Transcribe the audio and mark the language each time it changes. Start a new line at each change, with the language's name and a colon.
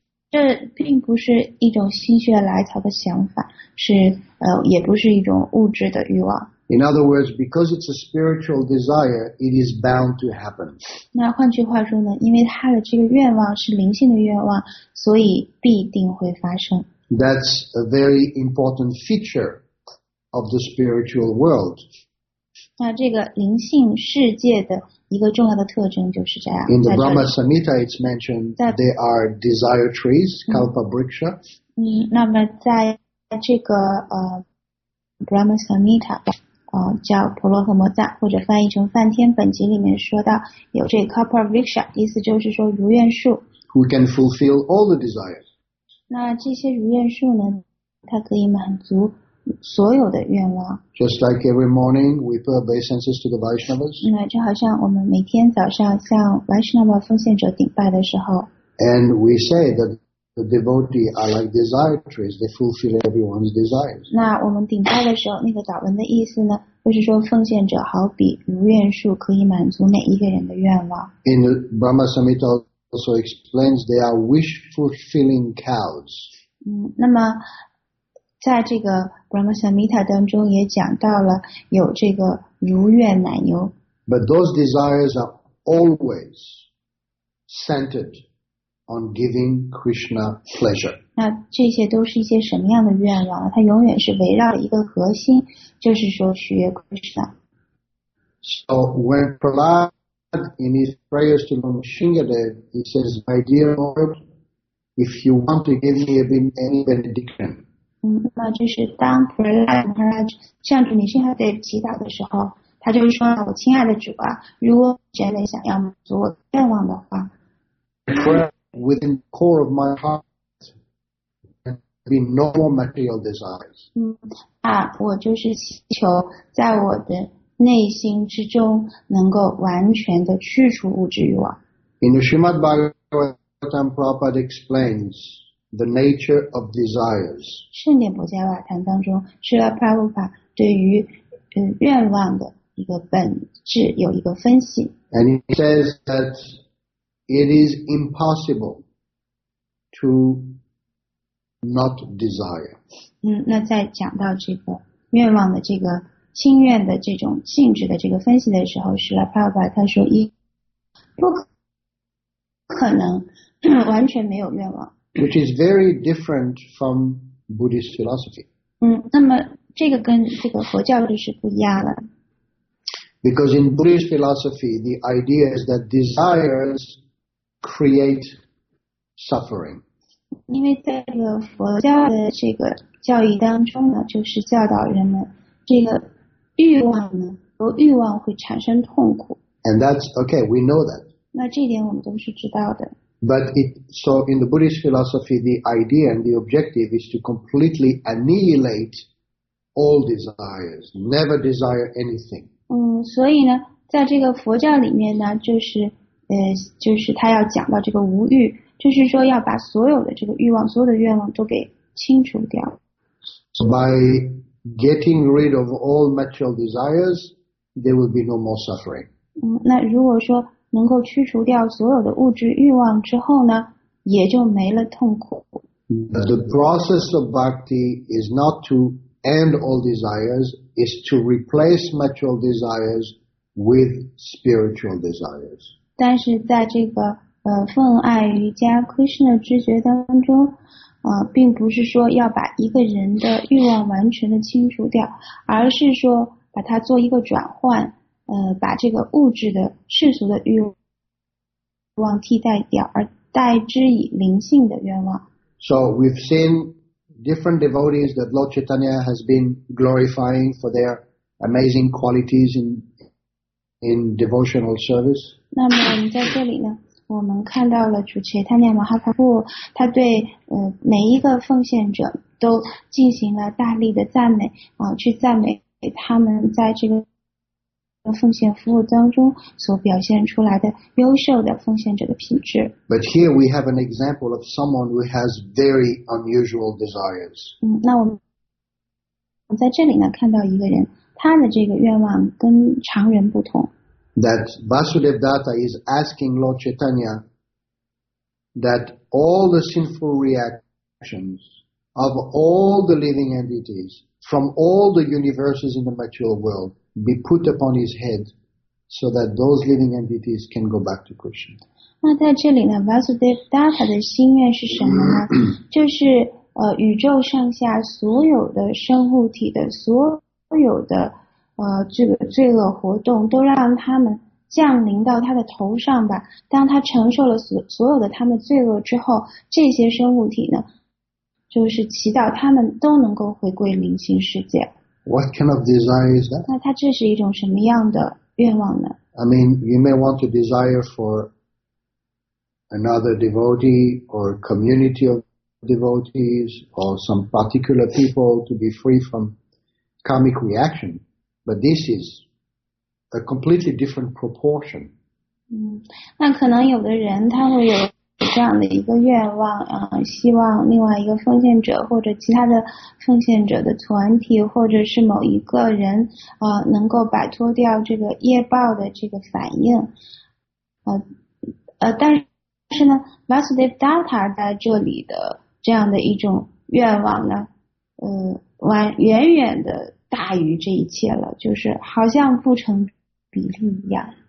Chinese: 这并不是一种心血来潮的想法，是也不是一种物质的欲望。
English: In other words, because it's a spiritual desire, it is bound to happen.
Chinese: 那换句话说呢，因为他的这个愿望是灵性的愿望，所以必定会发生。
English: That's a very important feature of the spiritual world.
Chinese: 那这个灵性世界的一个重要的特征就是这样。
English: In the Brahma Samhita, it's mentioned there are desire trees, kalpa vriksha.
Chinese: 那么在这个Brahma Samhita, 叫婆罗诃摩赞，或者翻译成梵天本集里面说到有这个 kalpa vriksha, 意思就是说如愿树。
English: Who can fulfill all the desires?
Chinese: 那这些如愿树呢，它可以满足所有的愿望。
English: Just like every morning, we pay obeisances to the Vaishnavas.
Chinese: 那就好像我们每天早上向 Vaishnava 奉献者顶拜的时候。
English: And we say that the devotee are like desire trees; they fulfill everyone's desires.
Chinese: 那我们顶拜的时候，那个祷文的意思呢，就是说奉献者好比如愿树，可以满足每一个人的愿望。
English: In the Brahma Samhita also explains they are wish fulfilling cows.
Chinese: 那么。在这个 Brahma Samhita 当中也讲到了有这个如愿奶牛。
English: But those desires are always centered on giving Krishna pleasure.
Chinese: 那这些都是一些什么样的愿望？它永远是围绕一个核心，就是说取悦 Krishna。
English: So when Prahlad in his prayers to Lord Shingadev, he says, "My dear Lord, if you want to give me any benediction."
Chinese: 那就是当 Prahlad Maharaj 向主Nrisimhadev祈祷的时候，他就说：“我亲爱的主啊，如果真的想要满足我愿望的话
English: ，within the core of my heart, there be no more material desires。”
Chinese: 我就是祈求在我的内心之中能够完全的去除物质欲望。
English: In the Srimad Bhagavatam, Prabhupada explains. The nature of desires.
Chinese: 圣典博伽瓦坛当中，释迦牟尼佛对于愿望的一个本质有一个分析。
English: And he says that it is impossible to not desire.
Chinese: 那在讲到这个愿望的这个心愿的这种性质的这个分析的时候，释迦牟尼佛他说一不可能完全没有愿望。
English: Which is very different from Buddhist philosophy.
Chinese: 那么这个跟这个佛教就是不一样了。
English: Because in Buddhist philosophy, the idea is that desires create suffering.
Chinese: 因为在这个佛教的这个教义当中呢，就是教导人们这个欲望呢，由欲望会产生痛苦。
English: And that's okay. We know that.
Chinese: 那这点我们都是知道的。
English: But it, so in the Buddhist philosophy, the idea and the objective is to completely annihilate all desires, never desire anything.
Chinese: 所以呢，在这个佛教里面呢，就是他要讲到这个无欲，就是说要把所有的这个欲望，所有的愿望都给清除掉。
English: So by getting rid of all material desires, there will be no more suffering.
Chinese: 那如果说能够驱除掉所有的物质欲望之后呢，也就没了痛苦。
English: The process of bhakti is not to end all desires, is to replace material desires with spiritual desires.
Chinese: 但是在这个奉爱瑜伽 Krishna 知觉当中，并不是说要把一个人的欲望完全的清除掉，而是说把它做一个转换。把这个物质的世俗的欲望替代掉，而代之以灵性的愿望。
English: So we've seen different devotees that Lord Chaitanya has been glorifying for their amazing qualities in devotional service.
Chinese: 那么我们在这里呢，我们看到了主持他娘马哈帕布，他对每一个奉献者都进行了大力的赞美啊，去赞美他们在这个。奉献服务当中所表现出来的优秀的奉献者的品质。
English: But here we have an example of someone who has very unusual desires.
Chinese: 那我们在这里呢看到一个人，他的这个愿望跟常人不同。
English: That Vasudev Datta is asking Lord Chaitanya that all the sinful reactions of all the living entities from all the universes in the material world be put upon his head so that those living entities can go back to Krishna.
Chinese: 那在这里呢 Vasudevdatta 的心愿是什么呢就是宇宙上下所有的生物体的所有的这个罪恶活动都让他们降临到他的头上吧当他承受了 所有的他们罪恶之后这些生物体呢就是祈祷他们都能够回归灵性世界
English: What kind of desire is that?
Chinese: 那他这是一种什么样的愿望呢
English: I mean, you may want to desire for another devotee or community of devotees or some particular people to be free from karmic reaction, but this is a completely different proportion.
Chinese: 那可能有的人他会有这样的一个愿望希望另外一个奉献者或者其他的奉献者的团体或者是某一个人能够摆脱掉这个业报的这个反应但是呢 Vasudevdatta 在这里的这样的一种愿望呢远远的大于这一切了就是好像不成比例一样